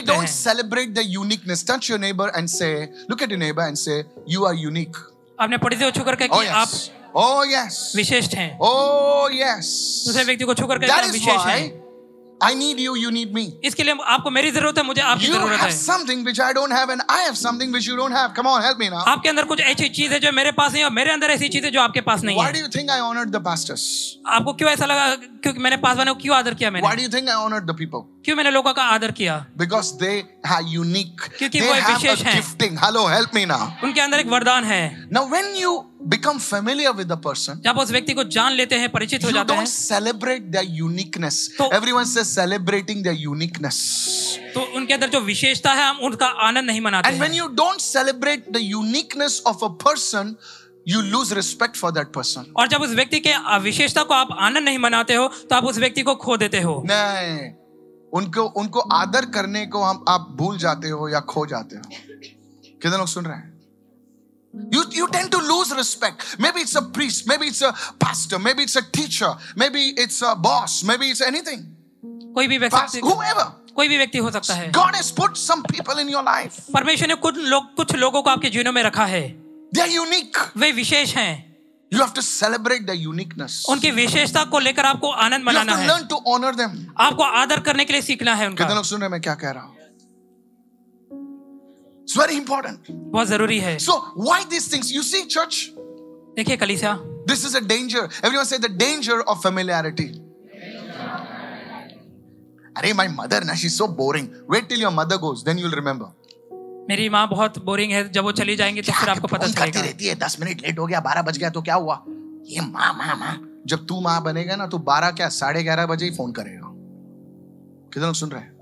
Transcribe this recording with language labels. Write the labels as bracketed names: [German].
[English] We don't celebrate the uniqueness. Touch your neighbour and say, look at your neighbour and say, you are unique. [Hindi] आपने पढ़ते हो छुकर के कि आप विशिष्ट हैं. दूसरे व्यक्ति को छूकर कहते हैं विशेष हैं. [English] I need you, you need me. [Hindi] इसके लिए आपको मेरी जरूरत है, मुझे आपकी जरूरत है. [English] You have something which I don't have, and I have something which you don't have. Come on, help me now. [Hindi] आपके अंदर कुछ ऐसी चीज़ है जो मेरे पास नहीं है, और मेरे अंदर ऐसी चीज़ है जो आपके पास नहीं है. [English] Why do you think I honored the pastors? [Hindi] आपको क्यों ऐसा लगा क्योंकि मैंने पासवानों को क्यों आदर किया मैंने? [English] Why do you think I honored the people? [Hindi] क्यों मैंने लोगों का आदर किया? [English] Because they are unique. [Hindi] क्योंकि वो विशेष हैं. [English] Gifting. Hello, help me now. [Hindi] उनके अंदर एक वरदान है. [English] Now when you become familiar with the person, [Hindi] जब उस व्यक्ति को जान लेते हैं, परिचित हो जाते हैं, [English] don't celebrate their uniqueness. Everyone says celebrating their uniqueness. [Hindi] तो उनके अंदर जो विशेषता है, हम उनका आनंद नहीं मनाते. [English] And when you don't celebrate the uniqueness of a person, you lose respect for that person. [Hindi] और जब उस व्यक्ति के विशेषता को आप आनंद नहीं मनाते हो, तो आप उस व्यक्ति को खो देते हो. नहीं, उनको उनको आदर करने को हम आप भूल जाते हो या खो जाते हो. कितने लोग सुन रहे हैं? [English] You tend to lose respect. Maybe it's a priest, maybe it's a pastor, maybe it's a teacher, maybe it's a boss, maybe it's anything. [Hindi] कोई भी व्यक्ति, [English] whoever. [Hindi] कोई भी व्यक्ति हो सकता है. [English] God has put some people in your life. [Hindi] परमेश्वर ने कुछ लोगों को आपके जीवनों में रखा है. [English] They are unique. [Hindi] वे विशेष हैं. [English] You have to celebrate their uniqueness. [Hindi] उनकी विशेषता को लेकर आपको आनंद मनाना है. [English] You have to learn to honor them. [Hindi] आपको आदर करने के लिए सीखना है उनका. कितने लोग सुन रहे हैं मैं क्या कह रहा हूँ? [English] It's very important. [Hindi] बहुत जरूरी है. [English] So why these things? You see, church. [Hindi] देखिए कलीसिया. [English] This is a danger. Everyone say the danger of familiarity. अरे my mother ना she so boring, wait till your mother goes then you will remember. [Hindi] मेरी माँ बहुत boring है, जब वो चली जाएंगी तो फिर आपको पता चलेगा. रहती है 10 मिनट लेट हो गया, 12 बज गया तो क्या हुआ. ये माँ माँ माँ, जब तू माँ बनेगा ना तो 12 क्या 11:30 बजे ही फोन करेगा. कितने लोग सुन रहे हैं,